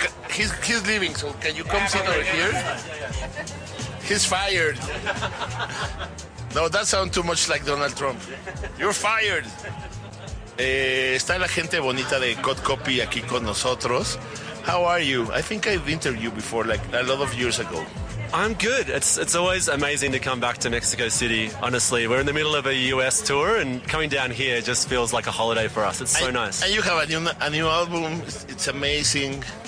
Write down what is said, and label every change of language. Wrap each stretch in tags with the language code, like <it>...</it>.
<en>He's leaving, so can you come sit over here? He's fired. No, that sounds too much like Donald Trump. You're fired.</en> <es>Está la gente bonita de Cod Copy aquí con nosotros.</es> <en>How are you? I think I've interviewed you before, like a lot of years ago. I'm good. It's always amazing to come back to Mexico City. Honestly, we're in the middle of a US tour and coming down here just feels like a holiday for us. It's so nice. And you have a new album. It's amazing.</en>